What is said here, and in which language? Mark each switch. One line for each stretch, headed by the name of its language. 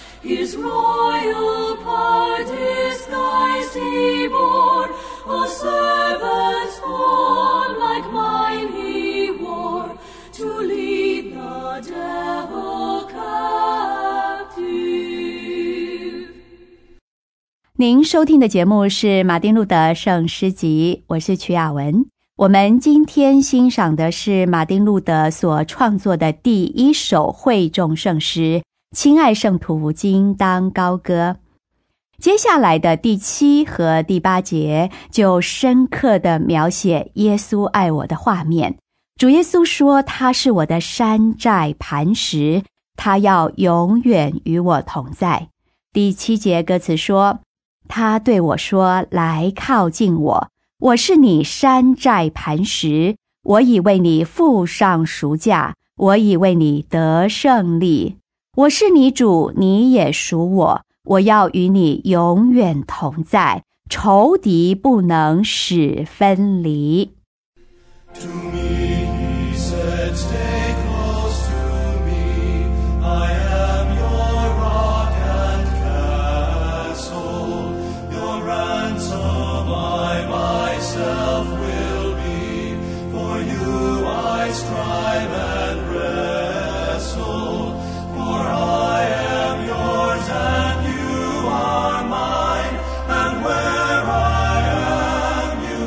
English: His royal part disguised He bore, a servant's form like mine He wore, to lead the devil captive.
Chinese: 您收听的节目是马丁路德圣诗集，我是曲亚文。我们今天欣赏的是马丁路德所创作的第一首会众圣诗《亲爱圣徒，今当高歌》。接下来的第七和第八节就深刻地描写耶稣爱我的画面。主耶稣说，他是我的山寨磐石，他要永远与我同在。第七节歌词说，他对我说，来靠近我，我是你山寨磐石，我已为你付上赎价，我已为你得胜利。我是你主，你也属我，我要与你永远同在，仇敌不能使分离。
English: To me he said, stay close to me, I am your rock and castle, your ransom I myself will be, for you I strive and wrestle, for I am yours and you are mine, and where I am